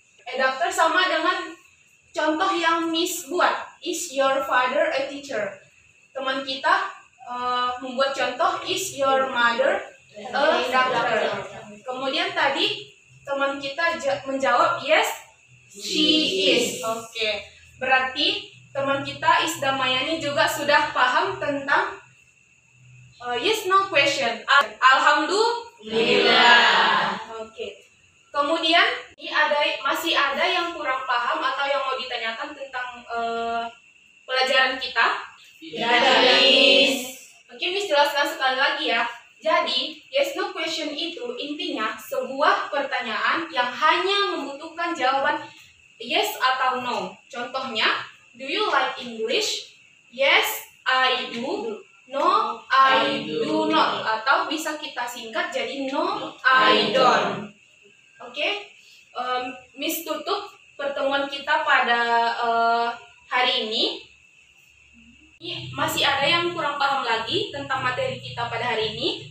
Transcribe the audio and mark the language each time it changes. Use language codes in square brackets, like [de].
[en] A doctor [id] sama dengan contoh yang Miss buat. [en] Is your father a teacher? [id] Teman kita membuat contoh, [en] is your mother a doctor? [id] Kemudian tadi teman kita menjawab, [en] yes, she is. [id] Oke. Okay. Berarti teman kita Isda Mayani juga sudah paham tentang yes no question. Alhamdulillah. Oke. Okay. Kemudian ini masih ada yang kurang paham atau yang mau ditanyakan tentang pelajaran kita? Ya, Miss. Mungkin Miss jelaskan sekali lagi ya. Jadi, yes no question itu intinya sebuah pertanyaan yang hanya membutuhkan jawaban yes atau no. [en] Contohnya, do you like English? Yes, I do. No, I do not. [id] Atau bisa kita singkat jadi [en] no, I don't. [id] Oke, okay? Miss tutup pertemuan kita pada hari ini. Masih ada yang kurang paham lagi tentang materi kita pada hari ini?